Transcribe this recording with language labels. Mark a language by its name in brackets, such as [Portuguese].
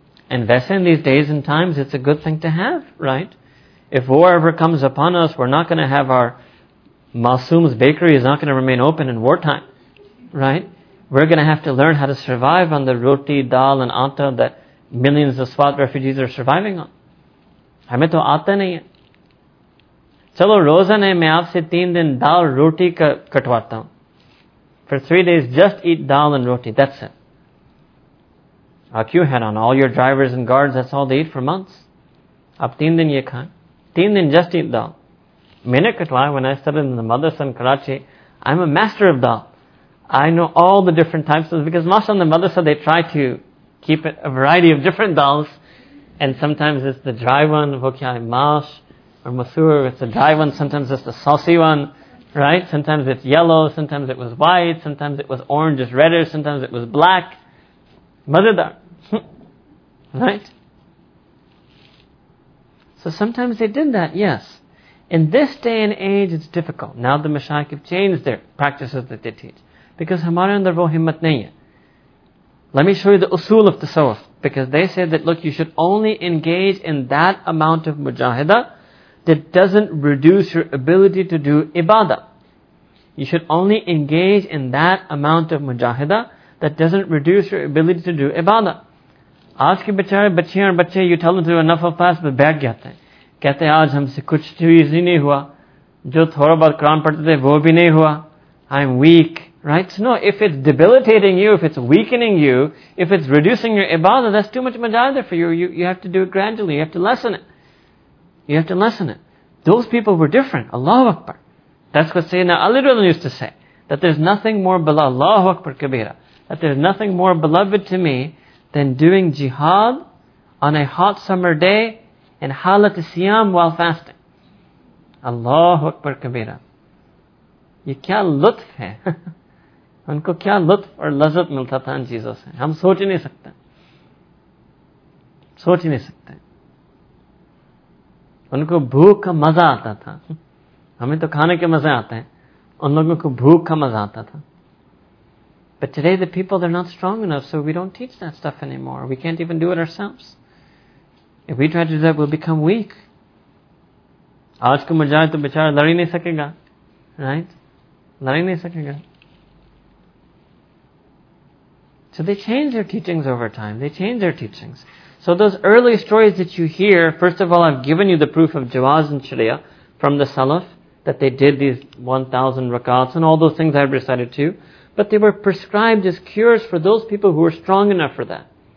[English] And vessel in these days and times, it's a good thing to have, right? If war ever comes upon us, we're not going to have our Masoom's bakery is not going to remain open in wartime, right? We're going to have to learn how to survive on the roti, dal, and atta that millions of Swat refugees are surviving on. [Urdu] ہمیں تو آٹا نہیں ہے۔ چلو، روزہ نہیں، میں آپ سے تین دن دال روٹی کا کٹواتا ہوں۔ [English] For 3 days, just eat dal and roti. That's it. [Urdu] Aakyu hai na, [English] all your drivers and guards, that's all they eat for months. [Urdu] Ab teen din ye khaan. Teen din, [English] just eat dal. When I studied in the madrasa in Karachi, I'm a master of dal. I know all the different types of, because mashallah in the madrasa they try to keep it a variety of different dals, and sometimes it's the dry one, vokyai mash, or masoor, it's the dry one, sometimes it's the saucy one, right? Sometimes it's yellow, sometimes it was white, sometimes it was orange, it's reddish, sometimes it was black. Madadar. Right? So sometimes they did that, yes. In this day and age, it's difficult. Now the mashayikh have changed their practices that they teach. [Urdu] Because ہمارے اندر وہ ہمت نہیں ہے۔ [English] Let me show you the usul of tasawwuf. Because they say that, look, you should only engage in that amount of mujahida that doesn't reduce your ability to do ibadah. You should only engage in that amount of mujahida that doesn't reduce your ability to do ibadah. [Urdu] Aaj ki bachare, bachiyan aur bachche, [English] you tell them to do enough of fast, [Urdu] but baith jaate hain. کہتے ہیں، آج ہم سے کچھ چیز ہی نہیں ہوا۔ جو تھوڑا بہت قرآن پڑھتے تھے، وہ بھی نہیں ہوا۔ [English] I'm weak. Right? No, if it's debilitating you, if it's weakening you, if it's reducing your ibadah, that's too much mujahidah for you. You have to do it gradually. You have to lessen it. You have to lessen it. Those people were different. Allahu Akbar. That's what Sayyidina Ali Radhiallahu Anhu used to say. That there's nothing more beloved. Allahu Akbar Kabira. That there's nothing more beloved to me than doing jihad on a hot summer day in halat siyam while fasting. Allahu Akbar Kabira. [Urdu] یہ کیا لطف ہے۔ انکو کیا لطف اور لذت ملتا تھا in Jesus. ہم سوچ نہیں سکتے۔ سوچ نہیں سکتے۔ انکو بھوک کا مزہ آتا تھا۔ ہمیں تو کھانے کے مزے آتے ہیں۔ ان لوگوں کو بھوک کا مزہ آتا تھا۔ [English] But today the people, they're not strong enough, so we don't teach that stuff anymore. We can't even do it ourselves. If we try to do that, we'll become weak. [Urdu] آج کو مجاہد تو بیچارہ لڑی نہیں سکے گا۔ [English] Right? [Urdu] لڑی نہیں سکے گا۔ [English] So they change their teachings over time. They change their teachings. So those early stories that you hear, first of all, I've given you the proof of Jawaz and Sharia from the Salaf, that they did these 1,000 rakats and all those things I've recited to you. But they were prescribed as cures for those people who were strong enough for that.